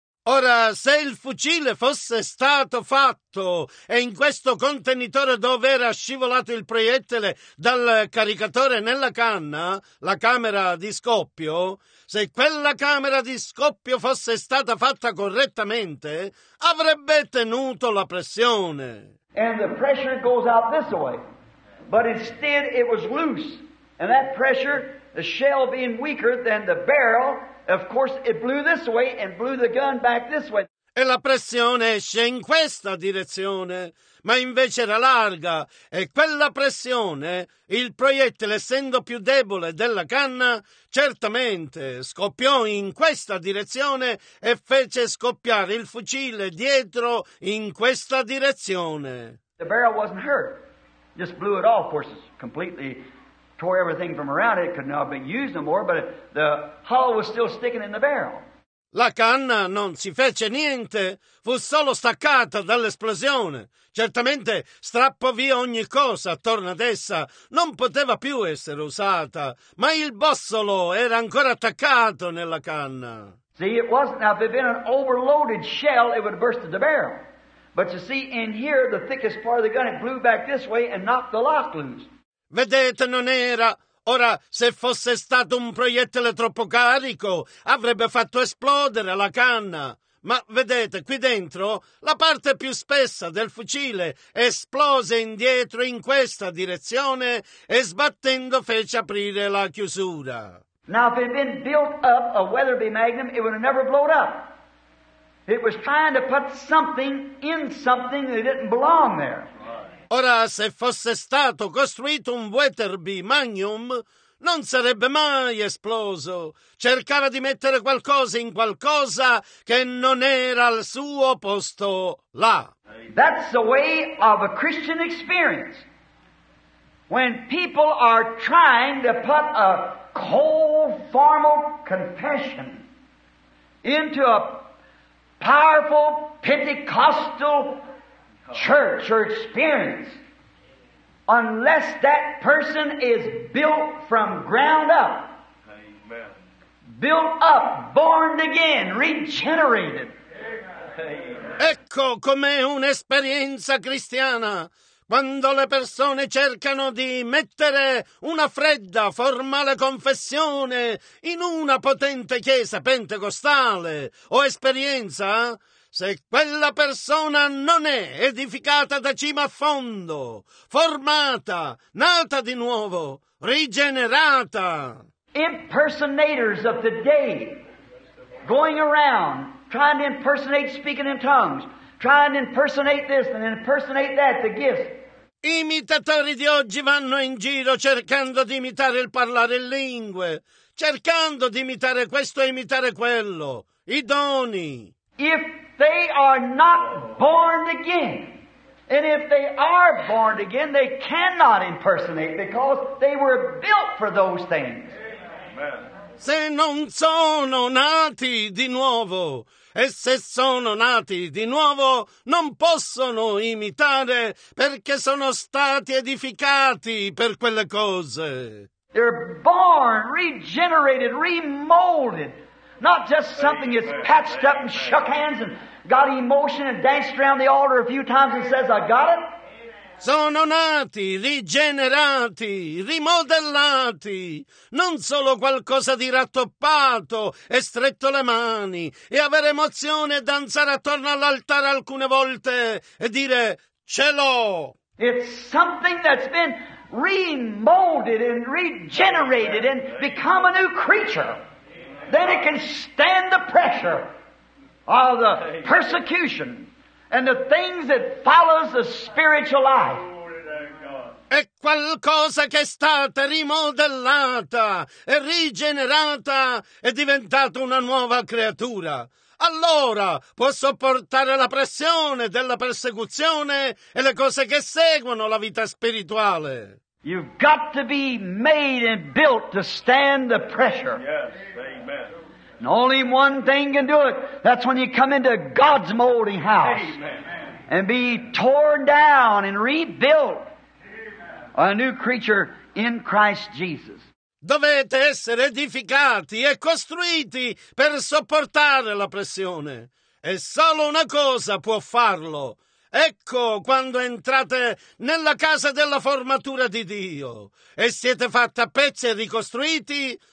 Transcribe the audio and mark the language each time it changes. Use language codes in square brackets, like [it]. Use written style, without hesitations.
[it] Ora, se il fucile fosse stato fatto e in questo contenitore dove era scivolato il proiettile dal caricatore nella canna, la camera di scoppio, se quella camera di scoppio fosse stata fatta correttamente, avrebbe tenuto la pressione. [en] And the pressure goes out this way. But instead it was loose. And that pressure, the shell being weaker than the barrel, of course it blew this way and blew the gun back this way. [it] E la pressione esce in questa direzione, ma invece era larga, e quella pressione, il proiettile essendo più debole della canna, certamente scoppiò in questa direzione e fece scoppiare il fucile dietro in questa direzione. [en] The barrel wasn't hurt, just blew it off, of course, completely tore everything from around it, could not be used no more, but the hull was still sticking in the barrel. [it] La canna non si fece niente, fu solo staccata dall'esplosione. Certamente strappò via ogni cosa attorno ad essa, non poteva più essere usata, ma il bossolo era ancora attaccato nella canna. [en] See, it wasn't, now if it had been an overloaded shell, it would have bursted the barrel. But you see, in here, the thickest part of the gun, it blew back this way and knocked the lock loose. [it] Vedete, non era... Ora, se fosse stato un proiettile troppo carico, avrebbe fatto esplodere la canna. Ma vedete, qui dentro, la parte più spessa del fucile esplose indietro in questa direzione e sbattendo fece aprire la chiusura. [en] Now, if it had been built up a Weatherby Magnum, it would have never blown up. It was trying to put something in something that didn't belong there. [it] Ora, se fosse stato costruito un Weatherby Magnum, non sarebbe mai esploso. Cercava di mettere qualcosa in qualcosa che non era al suo posto là. [en] That's the way of a Christian experience. When people are trying to put a cold, formal confession into a powerful Pentecostal church or experience, unless that person is built from ground up, amen, built up, born again, regenerated. [it] Ecco com'è un'esperienza cristiana. Quando le persone cercano di mettere una fredda, formale confessione in una potente chiesa pentecostale o esperienza, se quella persona non è edificata da cima a fondo, formata, nata di nuovo, rigenerata. [en] Impersonators of the day, going around, trying to impersonate speaking in tongues, trying to impersonate this and impersonate that, the gift. [it] Imitatori di oggi vanno in giro cercando di imitare il parlare in lingue, cercando di imitare questo e imitare quello, i doni. [en] If they are not born again, and if they are born again, they cannot impersonate because they were built for those things. Amen. [it] Se non sono nati di nuovo, E se sono nati di nuovo, non possono imitare, perché sono stati edificati per quelle cose. [en] They're born, regenerated, remolded. Not just something that's patched up and shook hands and got emotion and danced around the altar a few times and says, I got it. [it] Sono nati, rigenerati, rimodellati, non solo qualcosa di rattoppato e stretto le mani, e avere emozione e danzare attorno all'altare alcune volte e dire ce l'ho. [en] It's something that's been remolded and regenerated and become a new creature. Then it can stand the pressure of the persecution. And the things that follows the spiritual life. [it] È qualcosa che è stata rimodellata e rigenerata è diventata una nuova creatura. Allora può sopportare la pressione della persecuzione e le cose che seguono la vita spirituale. [en] You've got to be made and built to stand the pressure. Yes, amen. And only one thing can do it. That's when you come into God's molding house. Amen. And be torn down and rebuilt. Amen. A new creature in Christ Jesus. [it] Dovete essere edificati e costruiti per sopportare la pressione. E solo una cosa può farlo. Ecco quando entrate nella casa della formatura di Dio e siete fatti a pezzi e ricostruiti.